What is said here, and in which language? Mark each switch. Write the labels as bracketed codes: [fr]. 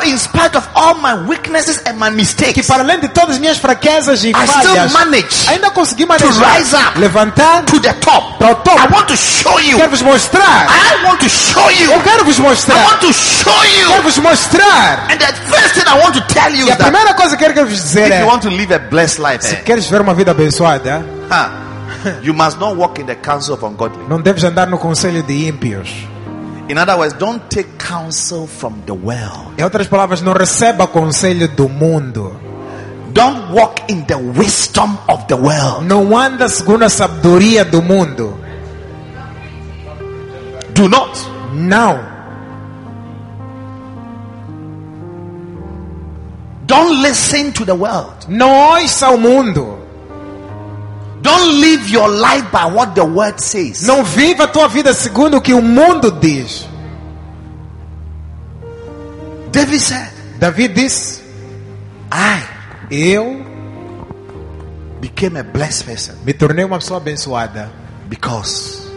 [en] How in spite of all my weaknesses and my mistakes. [pt] Que para além de todas as minhas fraquezas e falhas. [en] I still manage. [pt] Ainda consegui manejar. [en] To rise up. [pt] Levantar. [en] To the top. I want to show you. [pt] Quero vos mostrar. [en] I want to show you. [pt] Eu quero vos mostrar. [en] I want to show you. [pt] Quero vos mostrar. [en] And the first thing I want to tell you is that. [pt] E a primeira coisa que quero vos dizer é. [en] If you want to live a blessed life. [pt] Se queres ver uma vida abençoada. [en] You must not walk in the counsel of ungodly. [pt] Não deves andar no conselho de ímpios. [en] In other words, don't take counsel from the world. [pt] Em outras palavras, não receba conselho do mundo. [en] Don't walk in the wisdom of the world. [pt] Não anda segundo a sabedoria do mundo. [en] Do not. [pt] Não. [en] Don't listen to the world. [pt] Não ouça o mundo. [en] Don't live your life by what the word says. [pt] Não viva tua vida segundo o que o mundo diz. [en] David said. [pt] David diz. [en] Eu became a blessed person. [pt] Me tornei uma pessoa abençoada. [en] Because